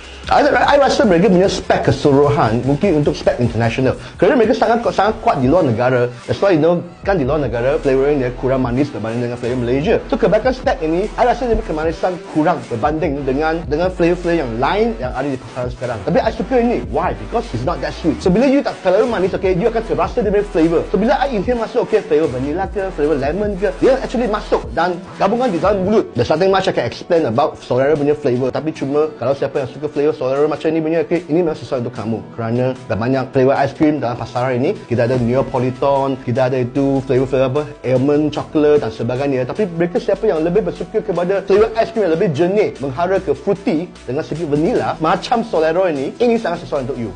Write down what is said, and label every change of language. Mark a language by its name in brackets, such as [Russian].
[Malay] I rasa mereka punya spek keseluruhan mungkin untuk spek international. Kerana mereka sangat kuat di luar negara. [English] That's why you know, [Malay] kan di luar negara flavoring dia kurang manis berbanding dengan flavor Malaysia. So kebanyakan spek ini, I rasa dia punya kemanisan kurang berbanding dengan flavor-flavor yang lain yang ada di pasaran sekarang. Tapi I suka ini. [English] Why? Because it's not that sweet. [Malay] So bila you tak terlalu manis, okay, you akan terasa dia punya flavor. So bila I inhale masuk, okay, flavor vanilla ke, flavor lemon ke, dia actually masuk dan gabungkan di dalam mulut. [English] There's nothing much I can explain about Solera punya flavor. [Malay] Tapi cuma kalau siapa yang suka flavor Solero macam ni punya, okay, ini memang sesuai untuk kamu. Kerana dah banyak flavor ice cream dalam pasaran ini. Kita ada Neapolitan, kita ada itu flavor-flavor apa, almond, coklat dan sebagainya. Tapi mereka siapa yang lebih bersuka kepada flavor ice cream yang lebih jernih, menghara ke fruity dengan sedikit vanilla, macam Solero ini, ini sangat sesuai untuk you.